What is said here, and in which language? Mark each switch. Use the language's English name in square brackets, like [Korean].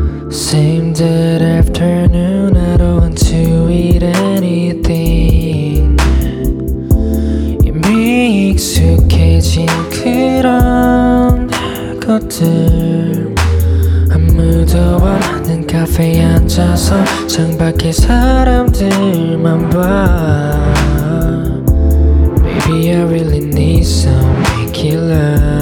[English] Same dead afternoon, I don't want to eat anything. [Korean] 이미 익숙해진 그런 것들, 아무도 없는 카페에 앉아서 창밖에 사람들만 봐. [English] Maybe I really need some painkiller.